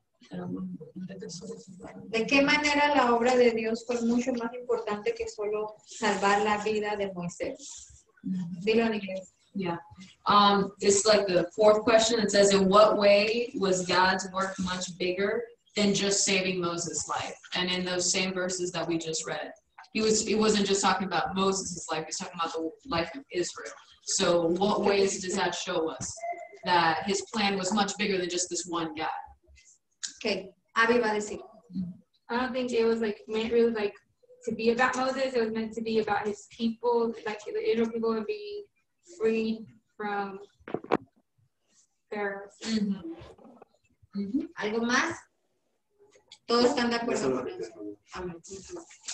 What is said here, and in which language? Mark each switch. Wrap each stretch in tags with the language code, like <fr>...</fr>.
<es>¿De qué manera la obra de Dios fue mucho más importante que solo salvar la vida de Moisés? Dilo en inglés.</es> <en>Yeah. This is like the fourth question. It says, in what way was God's work much bigger than just saving Moses' life? And in those same verses that we just read, he wasn't just talking about Moses' life, he's talking about the life of Israel. So what ways does that show us that his plan was much bigger than just this one guy?</en> <es>Okay. Abby, va a decir.</es> <en>I don't think it was like meant really like to be about Moses. It was meant to be about his people, like the Israel people would be free from</en> <es>Pharaoh. Mm-hmm. Mm-hmm. ¿Algo más? Todos están de acuerdo con eso.</es>